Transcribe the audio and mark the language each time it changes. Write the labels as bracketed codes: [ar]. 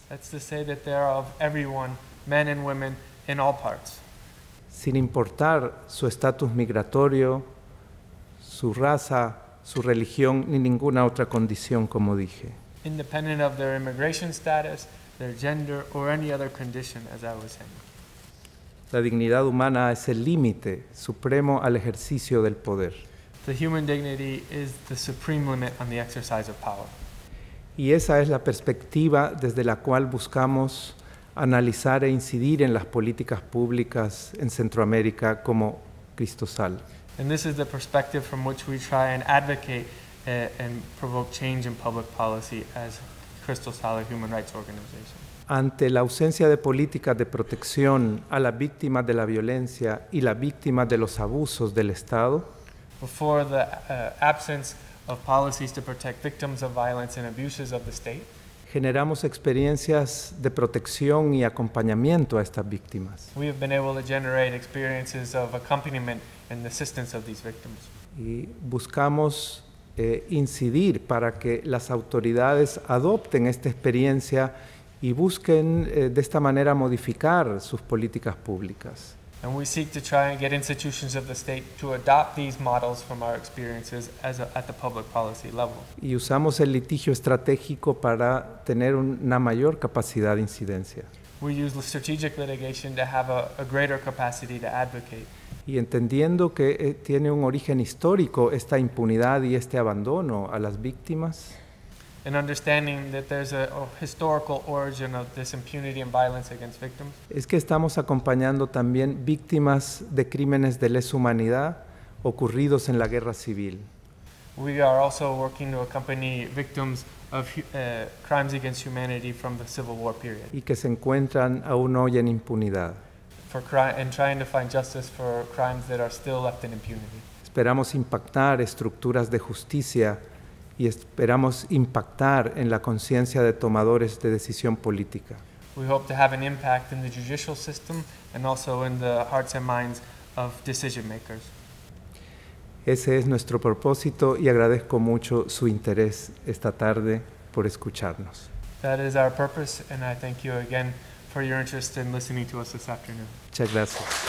[en] That's to say that they are of everyone, men and women, in all parts. [es] Sin importar su estatus migratorio, su raza, su religión, ni ninguna otra condición, como dije. [en] Independent of their immigration status, their gender, or any other condition, as I was saying. [es] La dignidad humana es el límite supremo al ejercicio del poder. [en] The human dignity is the supreme limit on the exercise of power. [es] Y esa es la perspectiva desde la cual buscamos analizar e incidir en las políticas públicas en Centroamérica como Cristosal. [en] And this is the perspective from which we try and advocate and provoke change in public policy as Cristosal, a human rights organization. [es] Ante la ausencia de políticas de protección a las víctimas de la violencia y las víctimas de los abusos del Estado, [en] before the absence of policies to protect victims of violence and abuses of the state, [es] generamos experiencias de protección y acompañamiento a estas víctimas. [en] We have been able to generate experiences of accompaniment and assistance of these victims. [es] Y buscamos incidir para que las autoridades adopten esta experiencia y busquen de esta manera modificar sus políticas públicas. [en] And we seek to try and get institutions of the state to adopt these models from our experiences as at the public policy level. [es] Y usamos el litigio estratégico para tener una mayor capacidad de incidencia. [en] We use the strategic litigation to have a greater capacity to advocate. [es] Y entendiendo que tiene un origen histórico esta impunidad y este abandono a las víctimas. [en] And understanding that there's a historical origin of this impunity and violence against victims. [es] Es que estamos acompañando también víctimas de crímenes de lesa humanidad ocurridos en la guerra civil. [en] We are also working to accompany victims of crimes against humanity from the Civil War period. [es] Y que se encuentran aún hoy en impunidad. [en] for crime and trying to find justice for crimes that are still left in impunity. [es] Esperamos impactar estructuras de justicia y esperamos impactar en la conciencia de tomadores de decisión política. [en] We hope to have an impact in the judicial system and also in the hearts and minds of decision makers. [es] Ese es nuestro propósito y agradezco mucho su interés esta tarde por escucharnos. [en] That is our purpose, and I thank you again for your interest in listening to us this afternoon. [es] Muchas gracias.